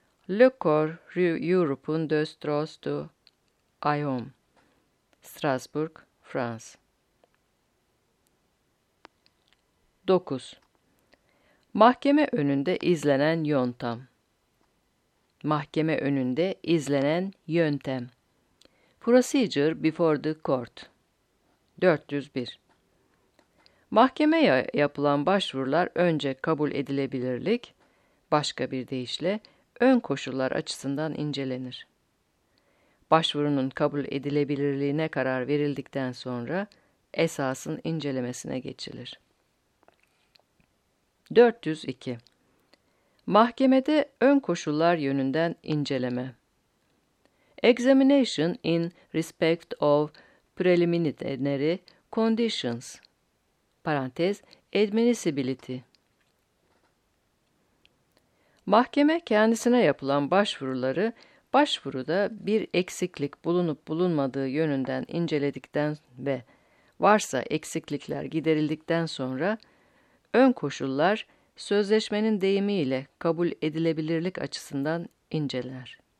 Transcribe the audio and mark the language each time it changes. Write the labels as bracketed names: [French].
[French] Le Corps European de Strasbourg, IOM, Strasbourg, France. [Turkish] 9. Mahkeme önünde izlenen yöntem. Mahkeme önünde izlenen yöntem. [English] Procedure before the court. [Turkish] 401. Mahkemeye yapılan başvurular önce kabul edilebilirlik, başka bir deyişle ön koşullar açısından incelenir. Başvurunun kabul edilebilirliğine karar verildikten sonra esasın incelemesine geçilir. 402. Mahkemede ön koşullar yönünden inceleme. [English] Examination in respect of preliminary conditions. [Turkish] Parantez, [English] admissibility. [Turkish] Mahkeme kendisine yapılan başvuruları başvuruda bir eksiklik bulunup bulunmadığı yönünden inceledikten ve varsa eksiklikler giderildikten sonra ön koşullar sözleşmenin deyimiyle kabul edilebilirlik açısından inceler.